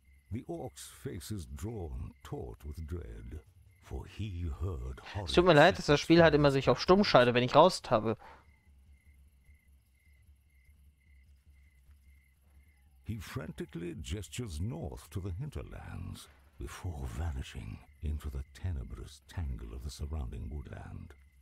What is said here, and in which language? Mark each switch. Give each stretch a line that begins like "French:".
English: The orc's face is drawn taut with dread, for he heard Hollis.
German: Tut mir leid, dass das Spiel halt immer sich auf stumm schaltet, wenn ich raus habe.
English: He frantically gestures north to the hinterlands before vanishing into the tenebrous tangle of the surrounding woodland.